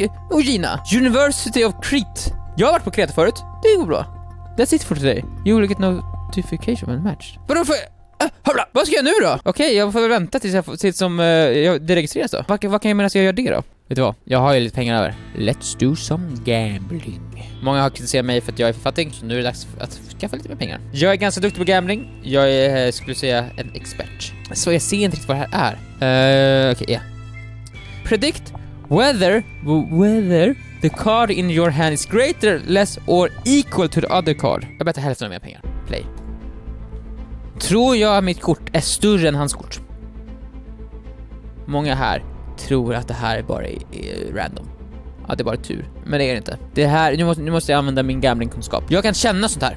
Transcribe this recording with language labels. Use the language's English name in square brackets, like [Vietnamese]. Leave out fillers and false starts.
[Swedish] Och Gina, University of Crete. Jag har varit på Kreta förut. Det går bra. [English] That's it for today. You will get notification when matched. [Swedish] Vadå för... Vad ska jag nu då? Okej, jag får vänta tills det registreras då. Vad kan jag menas jag gör det då? Vet du vad? Jag har ju lite pengar över. [English] Let's do some gambling. [Swedish] Många har kritiserat mig för att jag är författning. Så nu är det dags att skaffa lite mer pengar. Jag är ganska duktig på gambling. Jag är, skulle säga, en expert. Så jag ser inte riktigt vad det här är. Okej. [English] Predict whether the card in your hand is greater, less or equal to the other card. [Swedish] Jag bettar hälften av mina pengar. Play. Tror jag att mitt kort är större än hans kort? Många här tror att det här är bara random. Att det är bara tur. Men det är det inte. Det här, nu måste jag använda min gamblingkunskap. Jag kan känna sånt här.